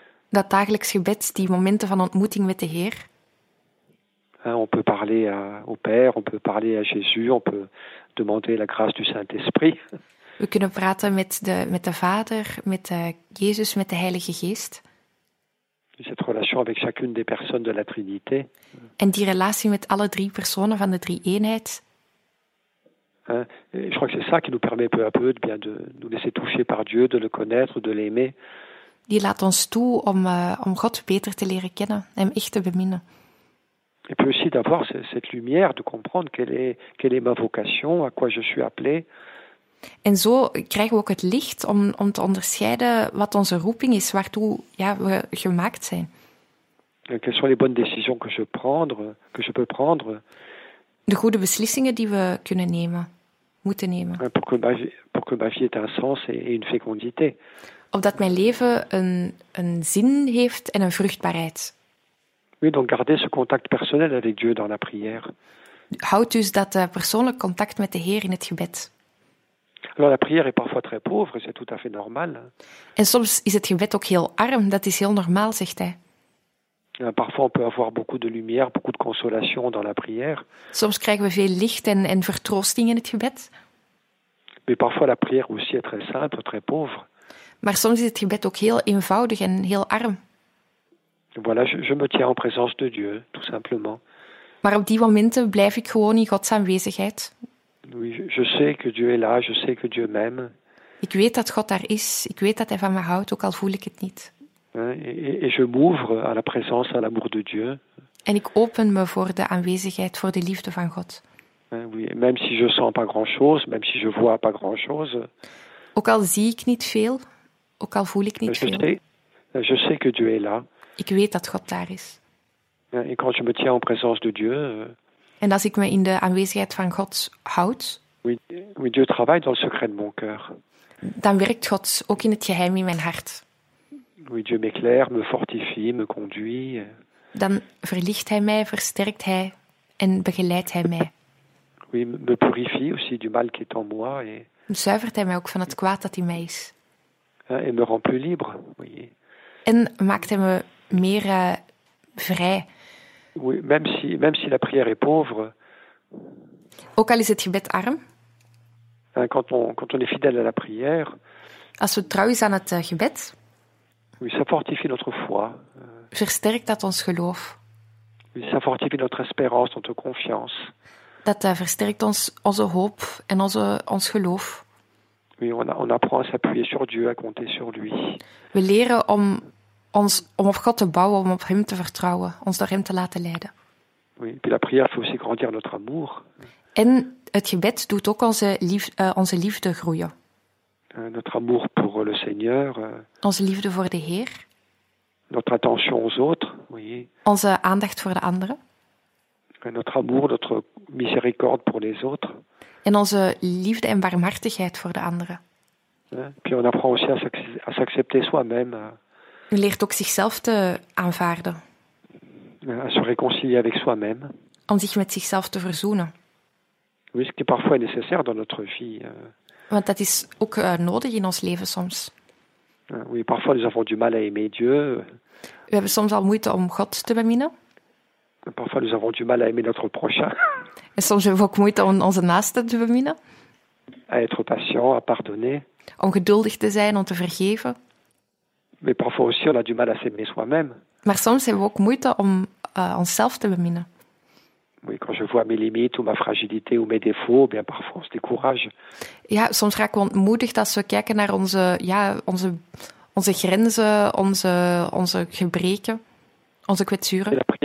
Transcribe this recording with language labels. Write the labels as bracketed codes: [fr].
[nl] Dat dagelijks gebed, die momenten van ontmoeting met de Heer. [fr] On peut parler au Père, on peut parler à Jésus, on peut demander la grâce du Saint-Esprit. [nl] We kunnen praten met de Vader, met Jezus, met de Heilige Geest. [fr] Cette relation avec chacune des personnes de la Trinité. [nl] En die relatie met alle drie personen van de drie eenheid. [fr] Et je crois que c'est ça qui nous permet peu à peu de nous laisser toucher par Dieu, de le connaître, de l'aimer. [nl] die laat ons toe om God beter te leren kennen, hem echt te beminnen. [fr] Et puis aussi d'avoir cette lumière, de comprendre quelle est ma vocation, à quoi je suis appelé. [nl] En zo krijgen we ook het licht om te onderscheiden wat onze roeping is, waartoe ja, we gemaakt zijn. [fr] Et quelles sont les bonnes décisions que je peux prendre? [nl] De goede beslissingen die we kunnen nemen, moeten nemen. [fr] Pour que ma vie ait un sens et une fécondité. [nl] Opdat mijn leven een zin heeft en een vruchtbaarheid. [fr] Oui, donc garder ce contact personnel avec Dieu dans la prière. [nl] Houd dus dat persoonlijk contact met de Heer in het gebed. [fr] Alors la prière est parfois très pauvre, c'est tout à fait normal. [nl] En soms is het gebed ook heel arm, dat is heel normaal, zegt hij. [fr] Ja, parfois on peut avoir beaucoup de lumière, beaucoup de consolation dans la prière. [nl] Soms krijgen we veel licht en vertroosting in het gebed. [fr] Mais parfois la prière aussi est très simple, très pauvre. [nl] Maar soms is het gebed ook heel eenvoudig en heel arm. [fr] Voilà, je me tiens en présence de Dieu, tout simplement. [nl] Maar op die momenten blijf ik gewoon in Gods aanwezigheid. [fr] Oui, je sais que Dieu est là, je sais que Dieu m'aime. [nl] Ik weet dat God daar is, ik weet dat hij van me houdt, ook al voel ik het niet. [fr] Et je m'ouvre à la présence, à l'amour de Dieu. [nl] En ik open me voor de aanwezigheid, voor de liefde van God. [fr] Oui, même si je sens pas grand-chose, même si je vois pas grand-chose. [nl] Ook al zie ik niet veel, ook al voel ik niet je veel. [fr] Je sais que Dieu est là. [nl] Ik weet dat God daar is. [fr] Et quand je me tiens en présence de Dieu. [nl] En als ik me in de aanwezigheid van God houd. [fr] Oui, Dieu travaille dans le secret de mon cœur. [nl] Dan werkt God ook in het geheim in mijn hart. [fr] Oui, Dieu m'éclaire, me fortifie, me conduit. [nl] Dan verlicht hij mij, versterkt hij en begeleidt hij mij. [fr] Oui, me purifie aussi du mal qui est en moi. Et... [nl] Zuivert hij mij ook van het kwaad dat in mij is. [fr] Et me rend plus libre, oui. [nl] En maakt hij me meer vrij. [fr] Oui, même si la prière est pauvre. [nl] Ook al is het gebed arm. [fr] Quand on est fidèle à la prière. [nl] Als we trouw zijn aan het gebed. [fr] Oui, ça fortifie notre foi. [nl] Versterkt dat ons geloof. [fr] Oui, ça fortifie notre espérance, notre confiance. [nl] Dat versterkt onze hoop en ons geloof. [fr] Oui, on apprend à s'appuyer sur Dieu, à compter sur lui. [nl] We leren om op God te bouwen, om op hem te vertrouwen, ons door hem te laten leiden. [fr] Oui, puis la prière fait aussi grandir notre amour. [nl] En het gebed doet ook onze liefde groeien. [fr] Notre amour pour le Seigneur. [nl] Onze liefde voor de Heer. [fr] Notre attention aux autres, oui. [nl] Onze aandacht voor de anderen. [fr] Et notre amour, notre miséricorde pour les autres. [nl] En onze liefde en barmhartigheid voor de anderen. [fr] Puis on apprend aussi à s'accepter soi-même. [nl] U leert ook zichzelf te aanvaarden. [fr] À se réconcilier avec soi-même. [nl] Om zich met zichzelf te verzoenen. [fr] Oui, ce qui parfois est nécessaire dans notre vie. [nl] Want dat is ook nodig in ons leven soms. [fr] Oui, parfois nous avons du mal à aimer Dieu. [nl] We hebben soms al moeite om God te beminnen. [fr] Parfois nous avons du mal à aimer notre prochain. [nl] En soms hebben we ook moeite om onze naaste te beminnen. [fr] À être patient, à pardonner. [nl] Om geduldig te zijn, om te vergeven. [fr] Mais parfois aussi on a du mal à s'aimer soi-même. [nl] Maar soms hebben we ook moeite om onszelf te beminnen. [fr] Oui, quand je vois mes limites ou ma fragilité ou mes défauts, bien parfois on se décourage. [nl] Ja, soms raken we ontmoedigd als we kijken naar onze grenzen, onze gebreken, onze kwetsuren.